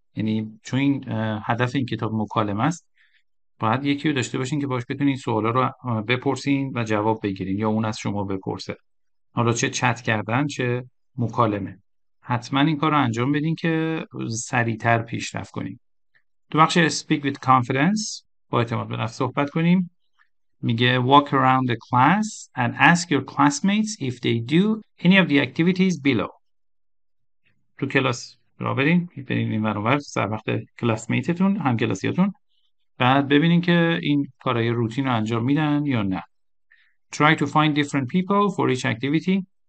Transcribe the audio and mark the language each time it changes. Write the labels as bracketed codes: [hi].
[fa] یعنی چون این هدف این کتاب مکالمه است، باید یکی رو داشته باشین که باهاش بتونین سوالا رو بپرسین و جواب بگیرین، یا اون از شما بپرسه. حالا چه چت کردن چه مکالمه، حتما این کار رو انجام بدین که سریعتر پیشرفت کنین. تو بخش [en] speak with confidence، [fa] با اعتماد به نفس صحبت کنیم. [en] میگه walk around the class and ask your classmates if they do any of the activities below. [fa] تو کلاس را برین، برین این ورانور سر وقت کلاس میتتون، هم کلاسیاتون، بعد ببینین که این کارهای روتین رو انجام میدن یا نه. [en] Try to find different people for each activity.